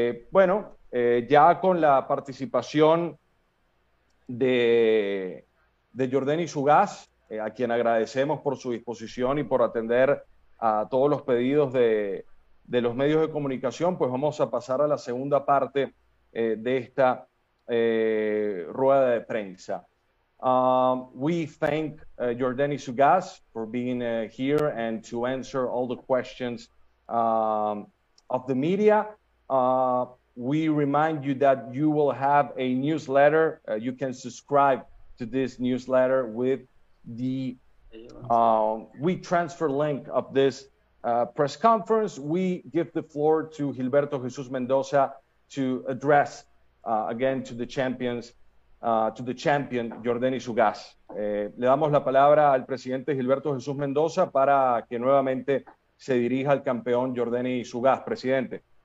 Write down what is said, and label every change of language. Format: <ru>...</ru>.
<es>Bueno, ya con la participación de Yordenis Ugas, a quien agradecemos por su disposición y por atender a todos los pedidos de los medios de comunicación, pues vamos a pasar a la segunda parte de esta rueda de prensa.</es> <en>We thank Yordenis Ugas for being here and to answer all the questions of the media. We remind you that you will have a newsletter. You can subscribe to this newsletter with the WeTransfer link of this press conference. We give the floor to Gilberto Jesus Mendoza to address again to the champions, to the champion Yordenis Ugas.</en> <es>Le damos la palabra al presidente Gilberto Jesus Mendoza para que nuevamente se dirija al campeón Yordenis Ugas. Presidente.</es>